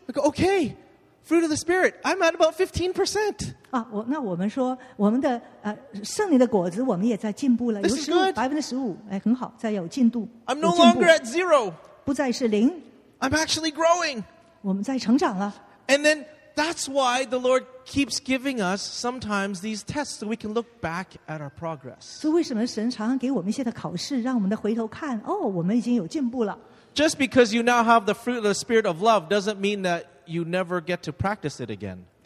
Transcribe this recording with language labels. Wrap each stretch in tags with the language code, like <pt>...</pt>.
<en>Go, okay, fruit of the Spirit, I'm at about 15%.</en> <zh>那我们说，我们的圣灵的果子，我们也在进步了。</zh> <en>This is good.</en> <zh>15%， 哎，很好，再有进度。</zh> <en>I'm no longer at zero.</en> <zh>不再是零。</zh> <en>I'm actually growing.</en> <zh>我们在成长了。</zh> <en>And then that's why the Lord keeps giving us sometimes these tests so we can look back at our progress.</en> <zh>所以为什么神常常给我们一些的考试，让我们的回头看，哦，我们已经有进步了。</zh> <en>Just because you now have the fruit of the Spirit of love doesn't mean that you never get to practice it again.</en>